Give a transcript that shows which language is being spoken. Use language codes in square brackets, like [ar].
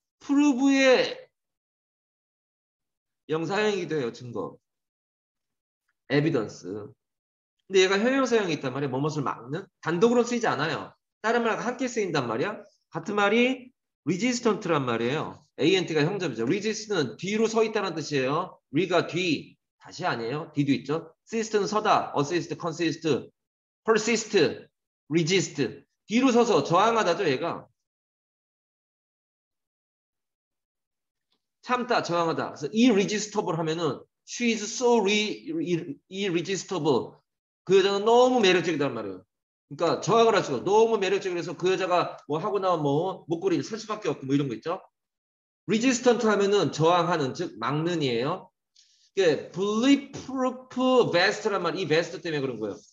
[ko] 프루브의 명사형이기도 해요. 증거. 에비던스. 근데 얘가 형용사형이 있단 말이야. 뭐뭇을 막는. 단독으로 쓰이지 않아요. 다른 말과 함께 쓰인단 말이야. 같은 말이 resistant란 말이에요. ant가 형접이죠. resist는 뒤로 서 있다는 뜻이에요. re가 뒤. 다시 아니에요. 뒤도 있죠. sist는 서다. assist, consist, persist, resist. 뒤로 서서 저항하다죠. 얘가. 참다. 저항하다. 그래서 [en] irresistible [ko] 하면은 [en] She is so irresistible. [ko] 그 여자는 너무 매력적이단 말이에요. 그러니까 저항을 할 수가 너무 매력적이라서 그 여자가 뭐 하고 나면 뭐 목걸이를 살 수밖에 없고 뭐 이런 거 있죠. Resistant 하면은 저항하는 즉 막는이에요. 그러니까 bulletproof vest란 말, 이 vest 때문에 그런 거예요.